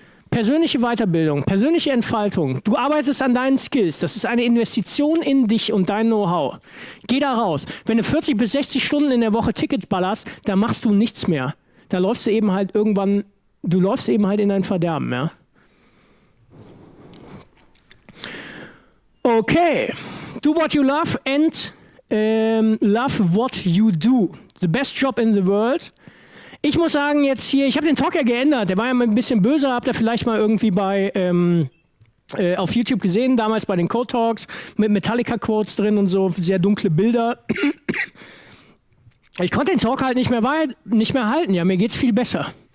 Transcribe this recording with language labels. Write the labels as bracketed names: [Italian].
[German] Persönliche Weiterbildung, persönliche Entfaltung. Du arbeitest an deinen Skills. Das ist eine Investition in dich und dein Know-how. Geh da raus. Wenn du 40 bis 60 Stunden in der Woche Tickets ballerst, dann machst du nichts mehr. Da läufst du eben halt irgendwann, du läufst eben halt in dein Verderben, ja. Okay. [English] Do what you love and love what you do. The best job in the world. [German] Ich muss sagen, jetzt hier, ich habe den Talk ja geändert. Der war ja mal ein bisschen böse, habt ihr vielleicht mal irgendwie bei auf YouTube gesehen, damals bei den Code Talks mit Metallica-Quotes drin und so, sehr dunkle Bilder. Ich konnte den Talk halt nicht mehr halten. Ja, mir geht's viel besser.